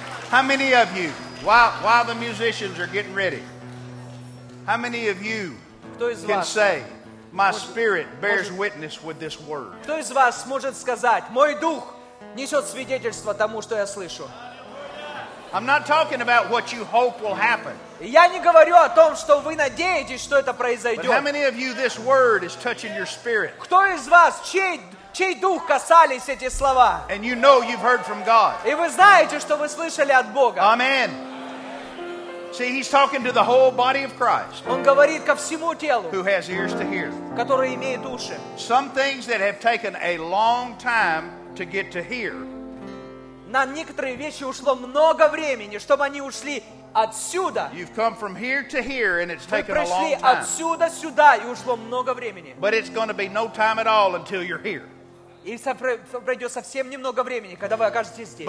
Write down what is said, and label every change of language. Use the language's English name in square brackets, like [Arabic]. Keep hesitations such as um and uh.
[English] How many of you, while, while, the musicians are getting ready, how many of you can say, my spirit bears witness with this word? [Russian] Кто [English] I'm not talking about what you hope will happen. [Russian] Я не говорю о том, что вы надеетесь, что это произойдет. Кто из вас, чей, чей дух касались эти слова? [English] And you know you've heard from God. [Russian] И вы знаете, что вы слышали от Бога. [English] Amen. See, he's talking to the whole body of Christ. [Russian] Он говорит ко всему телу. [English] Who has ears to hear? [Russian] Которые имеют уши. [English] Some things that have taken a long time to get to hear [Russian] на некоторые вещи ушло много времени, чтобы они ушли отсюда. [English] You've come from here to here, and it's taken [Russian] Вы пришли [English] a long time. [Russian] отсюда сюда, и ушло много времени. И пройдет совсем немного времени, когда вы окажетесь здесь.